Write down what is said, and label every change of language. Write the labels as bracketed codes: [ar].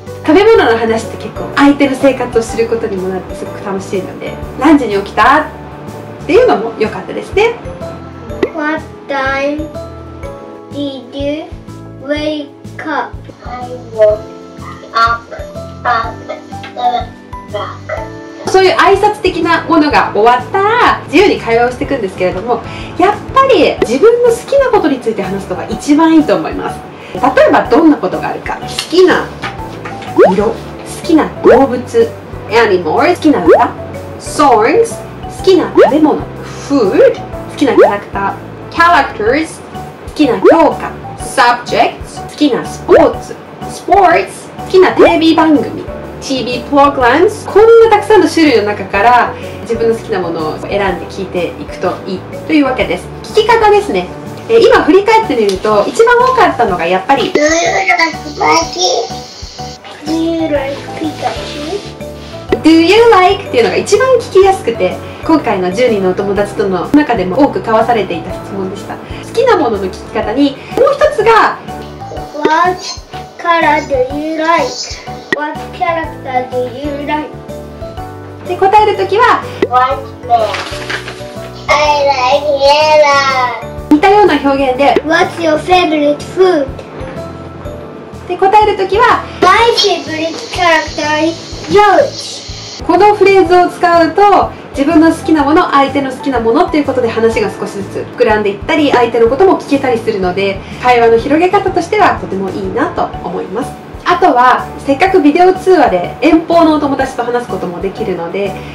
[ja] 食べ物の話って結構相手の生活をすることにもなってすごく楽しいので、何時に起きたっていうのも良かったですね。 [en] What time did you wake up? I woke up at 7 o'clock. [ja] そういう挨拶的なものが終わったら自由に会話をしていくんですけれども、やっぱり自分の好きなことについて話すのが一番いいと思います。例えばどんなことがあるか、好きな色、好きな動物 animals、 好きな歌 songs、 好きな食べ物 food、 好きなキャラクター characters、 好きな教科 subjects、 好きなスポーツ sports、 好きなテレビ番組TV プログラムス、こんなたくさんの種類の中から自分の好きなものを選んで聞いていくといいというわけです。聞き方ですね、今振り返ってみると一番多かったのがやっぱり [en] Do you like Pikachu? Do you like Pikachu? Do you like? [ja] っていうのが一番聞きやすくて、今回の10人のお友達との中でも多く交わされていた質問でした。好きなものの聞き方にもう一つが [en] What color do you like? What character do you like? [ja] で答えるときは [en] White man. I like yellow. [ja] 似たような表現で [en] What's your favorite food? [ja] で答えるときは [en] My favorite character is George. [ja] このフレーズを使うと自分の好きなもの、相手の好きなものっていうことで話が少しずつ膨らんでいったり、相手のことも聞けたりするので、会話の広げ方としてはとてもいいなと思います。あとはせっかくビデオ通話で遠方のお友達と話すこともできるので、